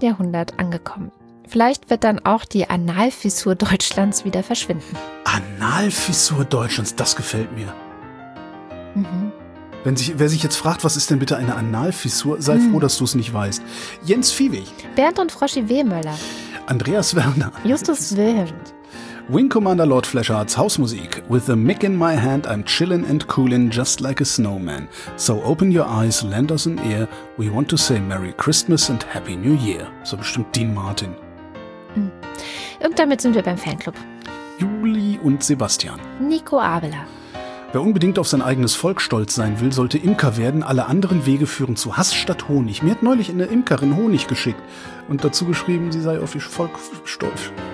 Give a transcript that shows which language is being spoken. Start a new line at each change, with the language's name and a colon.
German: Jahrhundert angekommen. Vielleicht wird dann auch die Analfissur Deutschlands wieder verschwinden. Analfissur Deutschlands, das gefällt mir. Mhm. Wer sich jetzt fragt, was ist denn bitte eine Analfissur, sei froh, dass du es nicht weißt. Jens Fiebig. Bernd und Froschi Wehmöller. Andreas Werner. Justus Wilhelm. Wing Commander Lord Flesharts Hausmusik.
English: With a mic in my hand, I'm chillin' and coolin' just like a snowman. So open your eyes, lend us an ear. We want to say Merry Christmas and Happy New Year.
German: So bestimmt Dean Martin. Und damit sind wir beim Fanclub. Juli und Sebastian. Nico Abela. Wer unbedingt auf sein eigenes Volk stolz sein will, sollte Imker werden. Alle anderen Wege führen zu Hass statt Honig. Mir hat neulich eine Imkerin Honig geschickt und dazu geschrieben, sie sei auf ihr Volk stolz.